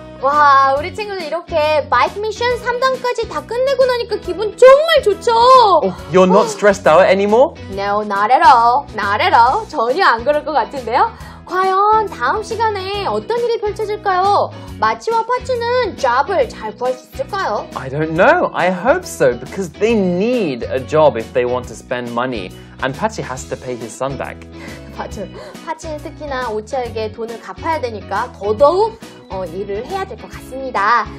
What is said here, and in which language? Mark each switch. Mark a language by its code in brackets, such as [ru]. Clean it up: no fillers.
[ko] 와, 우리 친구들 이렇게 마이크 미션 3단까지 다 끝내고 나니까 기분 정말 좋죠? [en] You're not stressed out anymore? No, not at all. Not at all. [ko] 전혀 안 그럴 것 같은데요? 과연 다음 시간에 어떤 일이 펼쳐질까요? 마치와 파츠는 job을 잘 구할 수 있을까요? [en] I don't know. I hope so. Because they need a job if they want to spend money. And Patchy has to pay his son back. [ko] 파츠, 파츠는 특히나 오치아에게 돈을 갚아야 되니까 더더욱 일을 해야 될 것 같습니다.